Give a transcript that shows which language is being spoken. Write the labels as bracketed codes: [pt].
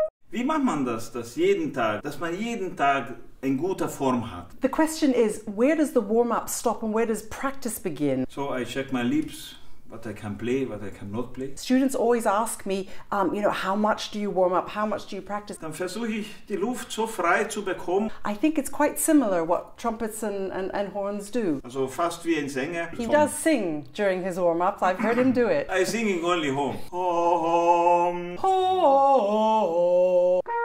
[de] Wie macht man das, dass jeden Tag, dass man jeden Tag in guter Form hat? [en] The question is, where does the warm-up stop and where does practice begin? So I check my lips, what I can play, what I cannot play. Students always ask me, you know, how much do you warm up, how much do you practice? [de] Dann versuche ich, die Luft so frei zu bekommen. [en] I think it's quite similar what trumpets and horns do. [de] Also fast wie ein Sänger. [en] He does sing during his warm-ups, I've heard him do it. I sing in only home. Home. Home.